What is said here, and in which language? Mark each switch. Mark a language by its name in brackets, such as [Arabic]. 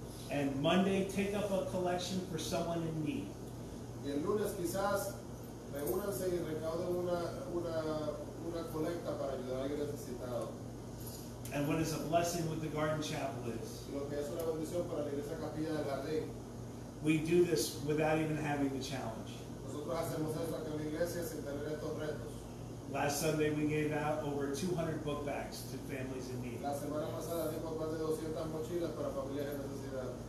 [English] And Monday, take up a collection for someone in need. [Spanish] Y el lunes quizás reúnanse y recauden una colecta para ayudar a alguien necesitado. [English] And what is a blessing with the Garden Chapel is, [Spanish] lo que es una bendición para la iglesia capilla del jardín, [English] we do this without even having the challenge. [Spanish] Nosotros hacemos esto aquí en la iglesia sin tener estos retos. [English] Last Sunday we gave out over 200 book bags to families in need. [Spanish] La semana pasada dimos más de 200 mochilas para familias en necesidad.